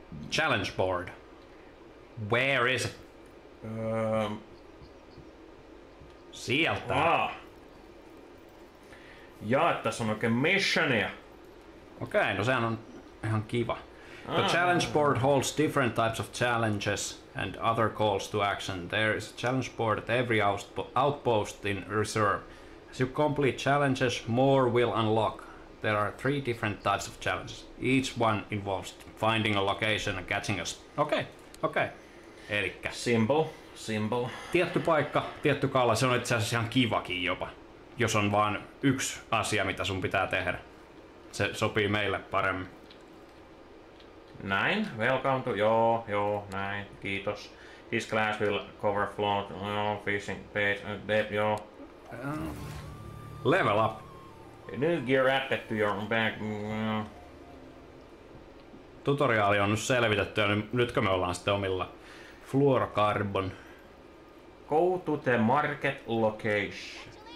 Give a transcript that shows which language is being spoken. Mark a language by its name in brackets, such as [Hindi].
[English] Challenge board. Where is it? [Finnish] Sieltä. Ah. Jaa, tässä on oikein missionia. Okei, no sehän on ihan kiva. [English] The challenge board holds different types of challenges and other calls to action. There is a challenge board at every outpost in reserve. As you complete challenges, more will unlock. There are three different types of challenges. Each one involves finding a location and catching us. [Finnish] Okei. Elikkä. [English] Symbol. [Finnish] Tietty paikka, tietty kala, se on itse asiassa ihan kivakin jopa. Jos on vaan yksi asia, mitä sun pitää tehdä. Se sopii meille paremmin. Näin, [English] welcome to, [Finnish] joo, näin, kiitos. [English] This class will cover float, fishing, page, joo. Level up. New gear added to your bag. [Finnish] Tutoriaali on nyt selvitetty ja nytkö me ollaan sitten omilla. [English] Fluorocarbon. Go to the market location.